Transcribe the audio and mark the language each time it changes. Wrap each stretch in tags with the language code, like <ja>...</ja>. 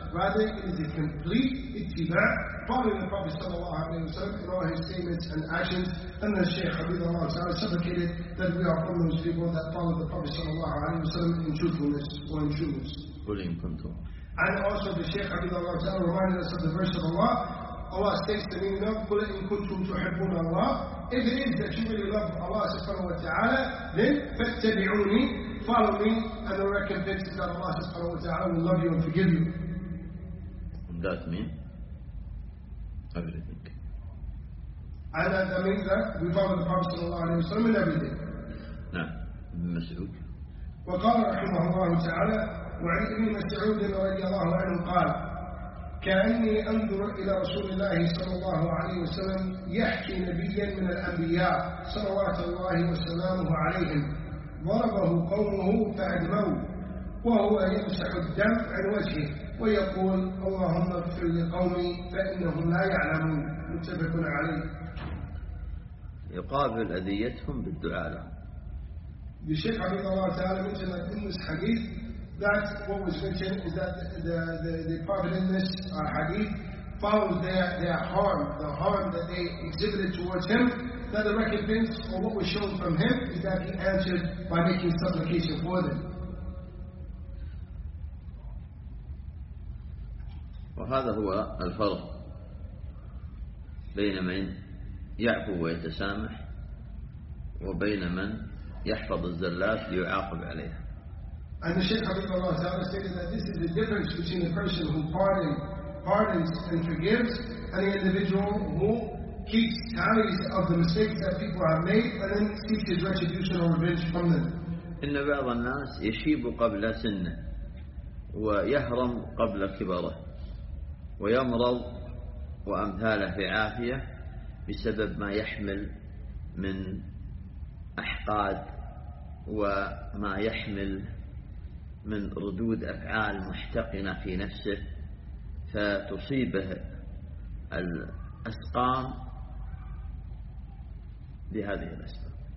<en>Rather, it is a complete ittiba', following the Prophet Sallallahu Alaihi Wasallam in all his statements and actions. And the Shaykh Habib Allah Ta'ala supplicated that we are from those people that follow the Prophet Sallallahu Alaihi Wasallam in truthfulness or in truth. Brilliant control. And also the Shaykh Habib Allah Ta'ala reminded us of the verse of Allah. Allah states to me,</en> <ar>قُلْ إِن كُنْتُمْ تُحِبُّونَ اللَّهِ.</ar> <en>If it is that you really love Allah subhanahu wa ta'ala, then</en> <ar>فَاتَّبِعُونِي,</ar> <en>follow me, and the recompense is that Allah subhanahu wa ta'ala will love you and forgive you. That means everything. And that means that we follow the Prophet sallallahu alayhi wa sallam in everything.</en> <ar>نعم, ابن مسعود. وقال رحمه الله تعالى وعن ابن مسعود رضي الله عنه قال كأني أنظر إلى رسول الله صلى الله عليه وسلم يحكي نبيا من الأنبياء صلوات الله وسلامه عليهم ضربه قومه فأدموا وهو يمسح الدم عن وجهه ويقول اللهم اغفر لقومي فإنهم لا يعلمون. متفق عليه. يقابل أذيتهم بالدعاء.</ar> <en>The Shaykh Habib Allah Ta'ala mentioned that in this hadith, that what was mentioned is that the prophet in this hadith follows their harm, the harm that they exhibited towards him, that the recompense or what was shown from him is that he answered by making supplication for them.</en> <ar>وهذا هو الفرق بين من يعفو ويتسامح وبين من يحفظ الزلات ليعاقب عليها.</ar> <en>And the Shaykh Habib Allah Ta'ala stated that this is the difference between a person who pardons and forgives and the individual who keeps tallies of the mistakes that people have made and then seeks his retribution or revenge from them.</en> <ar>إن بعض الناس يشيب قبل سنه ويهرم قبل كبره ويمرض وأمثاله في عافية بسبب ما يحمل من أحقاد وما يحمل من ردود أفعال محتقنة في نفسه فتصيبه الأسقام بهذه الأسباب.</ar>